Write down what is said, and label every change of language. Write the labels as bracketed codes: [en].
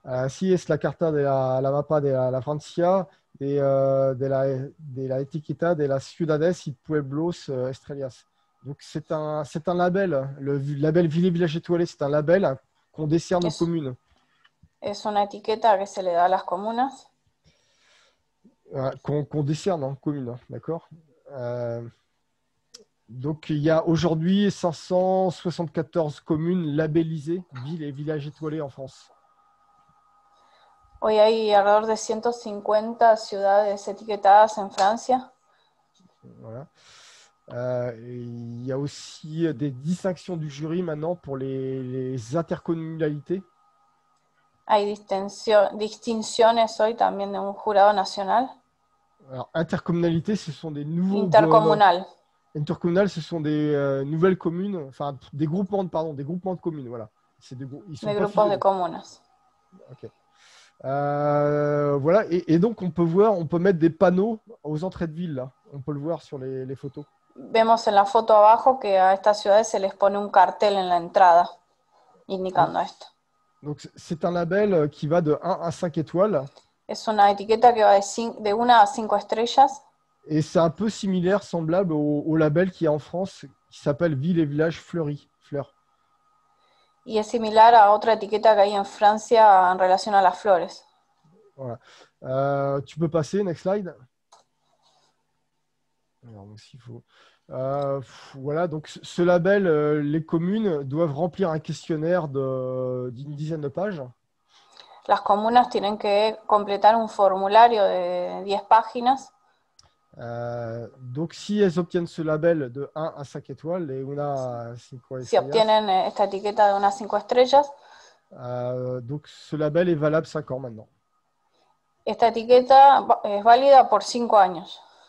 [es] Si es la carta de la mapa de la Francia. De la etiqueta de la Ciudades y Pueblos Estrellas. [fr] Donc, c'est un label, le label Ville et Village Étoilé, c'est un label qu'on décerne aux communes. [es] Es una etiqueta que se le da a las comunas. [fr] Qu'on décerne aux communes, d'accord. Donc, il y a aujourd'hui 574 communes labellisées Ville et Village Étoilé en France. [es] Hoy hay alrededor de 150 ciudades etiquetadas en Francia. [fr] Voilà. Il y a aussi des distinctions du jury maintenant pour les intercommunalités. [es] Hay distinciones hoy también de un jurado nacional. [fr] Alors, intercommunalité, ce sont des nouveaux... Intercommunal. Intercommunal, ce sont des nouvelles communes, enfin, des groupements de communes, voilà. C'est des groupements de communes. OK. Voilà, et donc on peut voir, on peut mettre des panneaux aux entrées de ville, là. On peut le voir sur les photos. [es] Vemos en la foto abajo que a esta ciudad se les pone un cartel en la entrada, indicando donc, esto. [fr] Donc c'est un label qui va de 1 à 5 étoiles. [es] Es una etiqueta que va de 1 a 5 estrellas. [fr] Et c'est un peu similaire, semblable au label qu'il y a en France, qui s'appelle Ville et Village Fleuris. [es] Y es similar a otra etiqueta que hay en Francia en relación a las flores. [fr] Voilà. Tu peux passer, [en] next slide. [fr] Alors, s'il faut. Voilà, donc ce label, les communes doivent remplir un questionnaire d'une dizaine de pages. [es] Las comunas tienen que completar un formulario de 10 páginas. [fr] Donc, si elles obtiennent ce label de 1 à 5 étoiles et [es] una a 5 estrellas, si obtienen esta etiqueta de una 5 estrellas, [fr] donc ce label est valable 5 ans maintenant. [es] Esta etiqueta es válida por 5 años.